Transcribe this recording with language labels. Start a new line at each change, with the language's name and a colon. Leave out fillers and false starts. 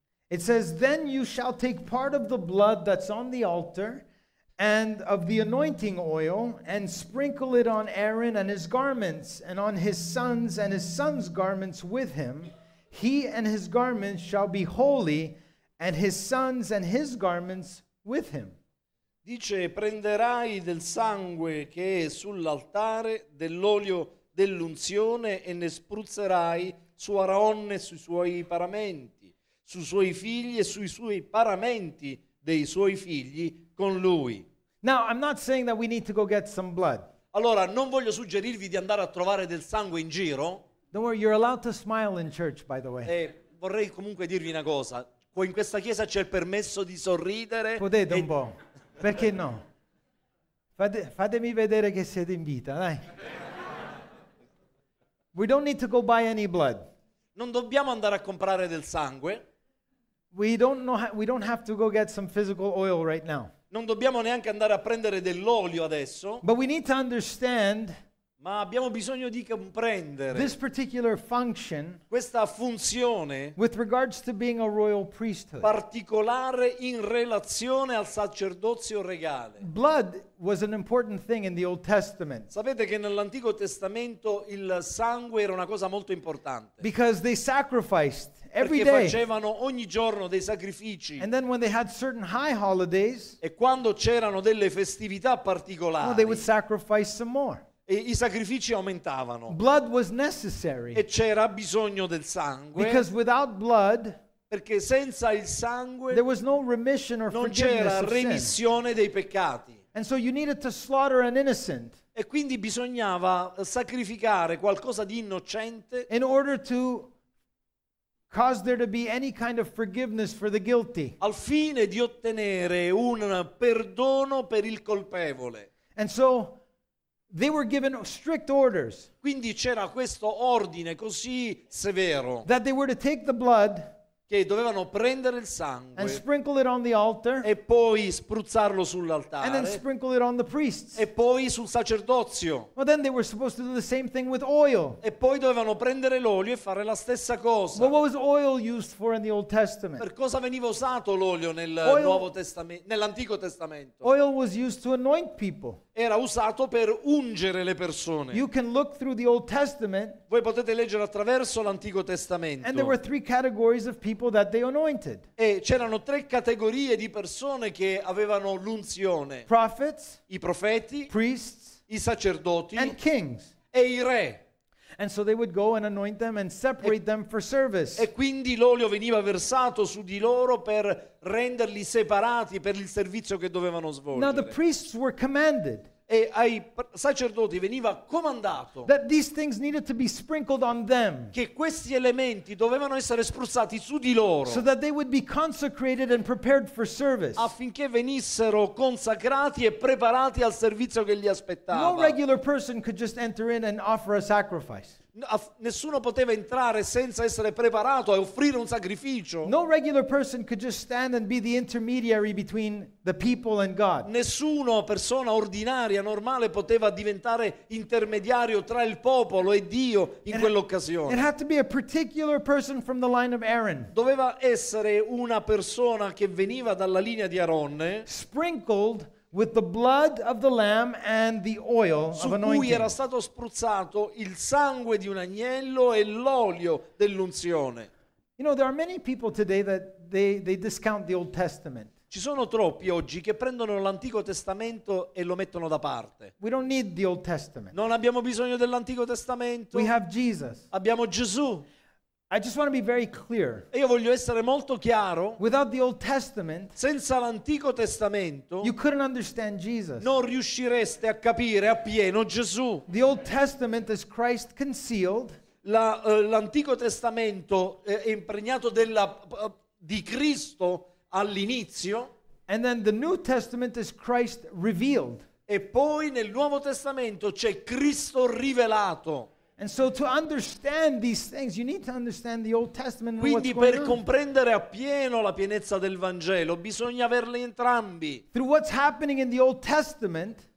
English: It says, then you shall take part of the blood that's on the altar and of the anointing oil and sprinkle it on Aaron and his garments and on his sons' garments with him. He and his garments shall be holy and his sons and his garments with him.
Italian: Dice, prenderai del sangue che è sull'altare dell'olio dell'unzione e ne spruzzerai su Aaron e sui suoi paramenti, sui suoi figli e sui suoi paramenti dei suoi figli con lui.
English: Now, I'm not saying that we need to go get some blood.
Italian: Allora, non voglio suggerirvi di andare a trovare del sangue in giro.
English: Don't worry, you're allowed to smile in church, by the way.
Italian: E vorrei comunque dirvi una cosa. In questa chiesa c'è il permesso di sorridere. Potete un po'. Perché no? Fatemi vedere che siete in vita, dai.
English: We don't need to go buy any blood.
Italian: Non dobbiamo andare a comprare del sangue.
English: We don't have to go get some physical oil right now.
Italian: Non dobbiamo neanche andare a prendere dell'olio adesso.
English: But we need to understand.
Italian: Ma abbiamo bisogno di comprendere.
English: This particular function.
Italian: Questa funzione.
English: With regards to being a royal priesthood.
Italian: Particolare in relazione al sacerdozio regale.
English: Blood was an important thing in the Old Testament.
Italian: Sapete che nell'Antico Testamento il sangue era una cosa molto importante.
English: Because they sacrificed every day.
Italian: Perché facevano ogni giorno dei sacrifici.
English: And then when they had certain high holidays.
Italian: E quando c'erano delle festività particolari.
English: Well, they would sacrifice some more.
Italian: E I sacrifici aumentavano.
English: Blood was necessary.
Italian: E c'era bisogno del sangue.
English: Because without blood,
Italian: perché senza il sangue,
English: there was no remission or
Italian: non c'era remissione dei peccati.
English: And so you needed to slaughter an innocent.
Italian: E quindi bisognava sacrificare qualcosa di innocente.
English: In order to cause there to be any kind of forgiveness for the guilty.
Italian: Al fine di ottenere un perdono per il colpevole.
English: And so they were given strict orders.
Italian: Quindi c'era questo ordine così severo.
English: That they were to take the blood.
Italian: Che dovevano prendere il sangue.
English: And sprinkle it on the altar.
Italian: E poi spruzzarlo sull'altare.
English: And then sprinkle it on the priests.
Italian: E poi sul sacerdozio.
English: Well, then they were supposed to do the same thing with oil.
Italian: E poi dovevano prendere l'olio e fare la stessa cosa.
English: But what was oil used for in the Old Testament?
Italian: Per cosa veniva usato l'olio nell'Antico Testamento?
English: Oil was used to anoint people.
Italian: Era usato per ungere le persone.
English: You can look through the Old Testament.
Italian: Voi potete leggere attraverso l'Antico Testamento.
English: And there were three categories of people that they anointed.
Italian: E c'erano tre categorie di persone che avevano l'unzione.
English: Prophets.
Italian: I profeti.
English: Priests.
Italian: I sacerdoti.
English: And kings.
Italian: E I re.
English: And so they would go and anoint them and separate them for service.
Italian: E quindi l'olio veniva versato su di loro per renderli separati per il servizio che dovevano svolgere.
English: Now the priests were commanded.
Italian: E ai sacerdoti veniva comandato.
English: That these things needed to be sprinkled on them.
Italian: Che questi elementi dovevano essere spruzzati su di loro.
English: So that they would be consecrated and prepared for service.
Italian: Affinché venissero consacrati e preparati al servizio che li aspettava.
English: No regular person could just enter in and offer a sacrifice.
Italian: Nessuno poteva entrare senza essere preparato a offrire un sacrificio.
English: No regular person could just stand and be the intermediary between the people and God.
Italian: Nessuno persona ordinaria normale poteva diventare intermediario tra il popolo e Dio in quell'occasione.
English: It had to be a particular person from the line of Aaron.
Italian: Doveva essere una persona che veniva dalla linea di Aaronne.
English: Sprinkled with the blood of the lamb and the oil
Italian: su
English: of anointing.
Italian: Su cui era stato spruzzato il sangue di un agnello e l'olio dell'unzione.
English: You know, there are many people today that they discount the Old Testament.
Italian: Ci sono troppi oggi che prendono l'Antico Testamento e lo mettono da parte.
English: We don't need the Old Testament.
Italian: Non abbiamo bisogno dell'Antico Testamento.
English: We have Jesus.
Italian: Abbiamo Gesù.
English: I just want to be very clear.
Italian: Io voglio essere molto chiaro.
English: Without the Old Testament,
Italian: senza l'Antico Testamento,
English: you couldn't understand Jesus.
Italian: Non riuscireste a capire appieno Gesù.
English: The Old Testament is Christ concealed.
Italian: L'Antico Testamento è impregnato di Cristo all'inizio.
English: And then the New Testament is Christ revealed.
Italian: E poi nel Nuovo Testamento c'è Cristo rivelato.
English: And so to understand these things, you need to understand the Old Testament.
Italian: Quindi per comprendere appieno la pienezza del Vangelo, bisogna averle entrambi.
English: Through what's happening in the Old Testament,